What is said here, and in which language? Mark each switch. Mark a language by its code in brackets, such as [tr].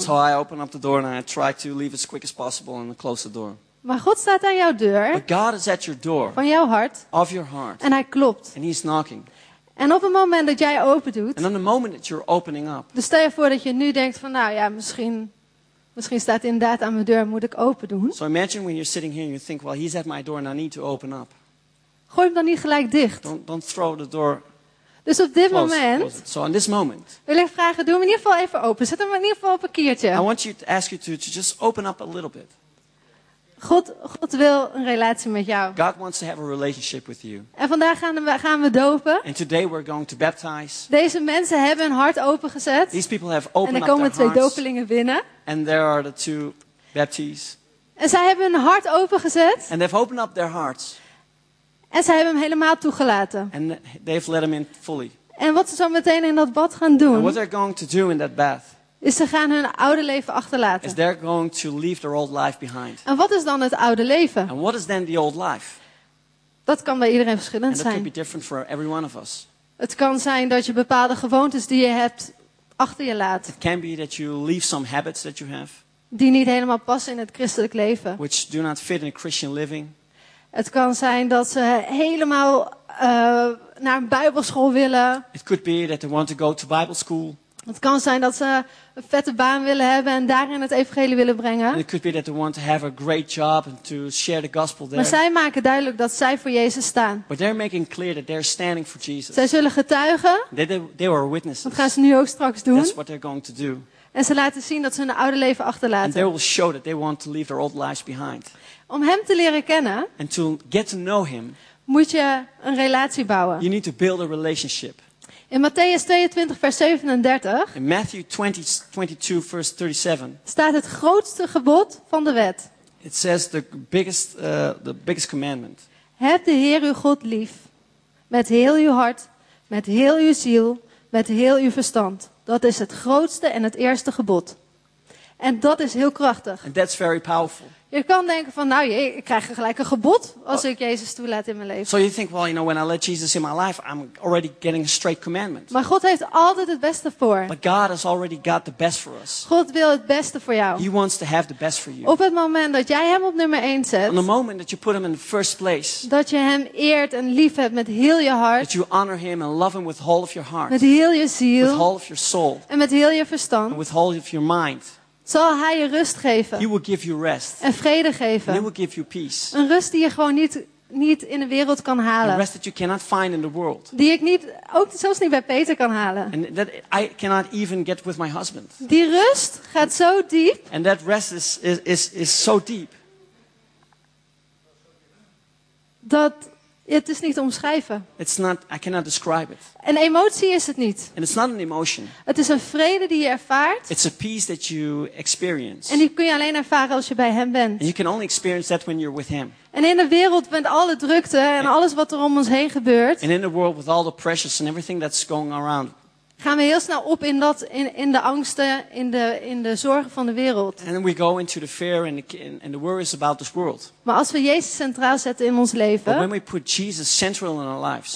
[en] So I open up the door and I try to leave as quick as possible and close the door. [nl] Maar God staat aan jouw deur. [en] But God is at your door. [nl] Van jouw hart. [en] Of your heart. [nl] En hij klopt. [en] And he's knocking. [nl] En op het moment dat jij open doet. [en] And on the moment that you're opening up. [nl] Dus stel je voor dat je nu denkt van nou ja, misschien. Misschien staat hij inderdaad aan mijn deur, moet ik open doen. [en] So imagine when you're sitting here and you think, well, he's at my door and I need to open up. [nl] Gooi hem dan niet gelijk dicht. [en] Don't throw the door. [nl] Dus op dit moment. [en] So on this moment. [nl] Wil ik vragen, doe hem in ieder geval even open. Zet hem in ieder geval op een kiertje. [en] I want you to ask you to just open up a little bit. [nl] God wil een relatie met jou. [en] God wants to have a relationship with you. [nl] En vandaag gaan we dopen. [en] And today we're going to baptize. [nl] Deze mensen hebben hun hart opengezet. [en] These people have opened up their hearts. [nl] En er komen twee dopelingen binnen. [en] And there are the two baptizees. [nl] En zij hebben hun hart opengezet. [en] And they've opened up their hearts. [nl] En zij hebben hem helemaal toegelaten. [en] And they've let him in fully. [nl] En wat ze zo meteen in dat bad gaan doen. [en] And what they're going to do in that bath. [nl] Is ze gaan hun oude leven achterlaten. [en] Is they're going to leave their old life behind. [nl] En wat is dan het oude leven? [en] And what is then the old life? [nl] Dat kan bij iedereen verschillend [en] and [nl] zijn. [en] And that can be different for every one of us. [nl] Het kan zijn dat je bepaalde gewoontes die je hebt achter je laat. [en] It can be that you leave some habits that you have. [nl] Die niet helemaal passen in het christelijk leven. [en] Which do not fit in a Christian living. [nl] Het kan zijn dat ze helemaal naar een bijbelschool willen. [en] It could be that they want to go to Bible school. [nl] Het kan zijn dat ze een vette baan willen hebben en daarin het evangelie willen brengen. [en] And it could be that they want to have a great job and to share the gospel there. [nl] Maar zij maken duidelijk dat zij voor Jezus staan. [en] But they're making clear that they're standing for Jesus. [nl] Zij zullen getuigen. [en] They were witnesses. [nl] Dat gaan ze nu ook straks doen. [en] That's what they're going to do. [nl] En ze laten zien dat ze hun oude leven achterlaten. [en] And they will show that they want to leave their old lives behind. [nl] Om hem te leren kennen. [en] And to get to know him. [nl] Moet je een relatie bouwen. [en] You need to build a relationship. [nl] In Matteüs 22, vers 37. [en] In Matthew 22, vers 37. [nl] Staat het grootste gebod van de wet. [en] It says the biggest commandment. [nl] Heb de Heer uw God lief. Met heel uw hart. Met heel uw ziel. Met heel uw verstand. Dat is het grootste en het eerste gebod. En dat is heel krachtig. [en] And that's very powerful. [nl] Je kan denken van, nou, ik krijg gelijk een gebod als ik Jezus toelaat in mijn leven. [en] So you think, well, you know, when I let Jesus in my life, I'm already getting a straight commandment. [nl] Maar God heeft altijd het beste voor. [en] But God has already got the best for us. [nl] God wil het beste voor jou. [en] He wants to have the best for you. [nl] Op het moment dat jij hem op nummer 1 zet. [en] On the moment that you put him in the first place. [nl] Dat je hem eert en lief hebt met heel je hart. [en] That you honor him and love him with all of your heart. [nl] Met heel je ziel. [en] With all of your soul. [nl] En met heel je verstand. [en] And with all of your mind. [nl] Zal hij je rust geven. [en] He will give you rest. [nl] En vrede geven. [en] And he will give you peace. [nl] Een rust die je gewoon niet in de wereld kan halen. [en] A rest that you cannot find in the world. [nl] Die ik niet, ook zelfs niet bij Peter kan halen. [en] And that I cannot even get with my husband. [nl] Die rust gaat zo diep. [en] And that rest is so deep. [nl] Dat het is niet te omschrijven. [en] It's not, I cannot describe it. [nl] Een emotie is het niet. [en] And it's not an emotion. [nl] Het is een vrede die je ervaart. [en] It's a peace that you experience. [nl] En die kun je alleen ervaren als je bij hem bent. [en] And you can only experience that when you're with him. [nl] En in de wereld met alle drukte en alles wat er om ons heen gebeurt. [en] And in the world with all the pressures and everything that's going around. [nl] Gaan we heel snel op in de angsten, in de zorgen van de wereld. [en] And we go into the fear and the worries about this world. [nl] Maar als we Jezus centraal zetten in ons leven. [en] But when we put Jesus central in our lives.